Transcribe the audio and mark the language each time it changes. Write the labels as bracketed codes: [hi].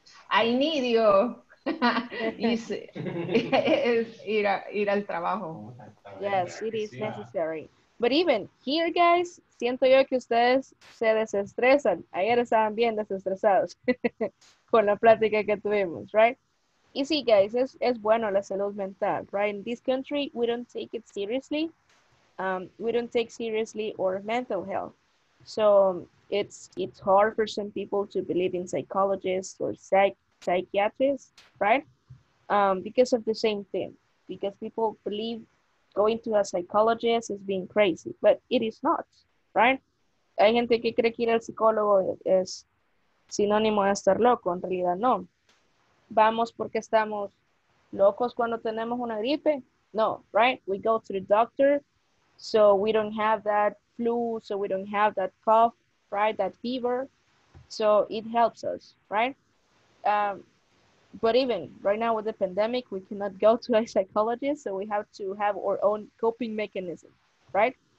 [en] I need you. [es] ir al trabajo. [en] Yes, it is necessary. But even here, guys, [es] siento yo que ustedes se desestresan. Ayer estaban bien desestresados con la plática que tuvimos, right? Y sí, guys, es bueno la salud mental, [en] right? In this country, we don't take it seriously. We don't take seriously our mental health. So it's hard for some people to believe in psychologists or psychiatrists, right? Because of the same thing. Because people believe going to a psychologist is being crazy, but it is not, right? [es] Hay gente que cree que ir al psicólogo es sinónimo de estar loco. En realidad, no. ¿Vamos porque estamos locos cuando tenemos una gripe? [en] No, right? We go to the doctor, so we don't have that flu, so we don't have that cough, right? That fever. So it helps us, right? But even right now with the pandemic, we cannot go to a psychologist, so we have to have our own coping mechanism, right?